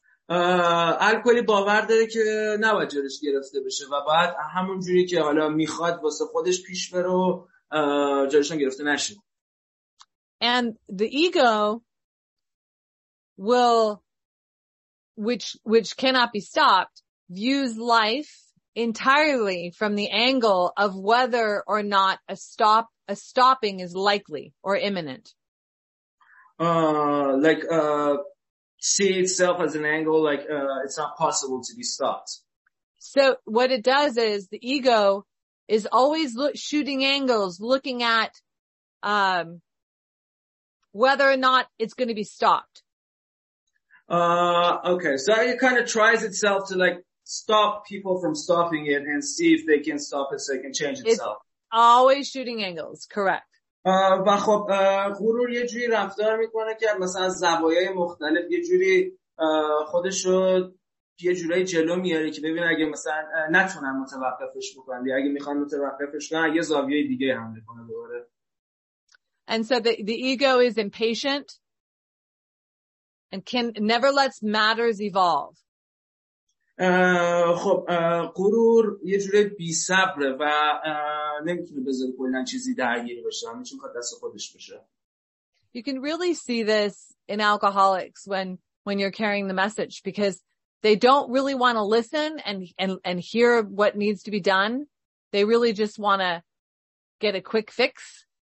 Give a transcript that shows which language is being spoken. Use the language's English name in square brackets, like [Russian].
[Persian] الکلی باور داره که نباید جلوش گرفته بشه و باید همون جوری که حالا میخواد واسه خودش پیش بره و جلوش گرفته نشه. [English] And the ego will, which cannot be stopped, views life entirely from the angle of whether or not a stopping is likely or imminent. See itself as an angle, like it's not possible to be stopped. So what it does is the ego is always shooting angles, looking at whether or not it's going to be stopped. Okay, so it kind of tries itself to like stop people from stopping it and see if they can stop it so it can change itself. It's always shooting angles, correct. [Persian] و خب غرور یه جوری رفتار میکنه که مثلا از زوایای مختلف یه جوری خودش رو یه جورای جلو میاره که ببین اگه مثلا نتونن متوقفش بکنن یا اگه میخوان متوقفش کنن یه زاویه دیگه حمله کنه دوباره. [English] And so the ego is impatient and can never lets matters evolve. [Persian] خب غرور یه جوری بی صبره و نمیتونه بذاره کلا چیزی درگیر بشه، همیشه میخواد دست خودش بشه. [English] You can really see this in alcoholics when you're carrying the message because they don't really want to listen and hear what needs to be done. They really just want to get a quick fix.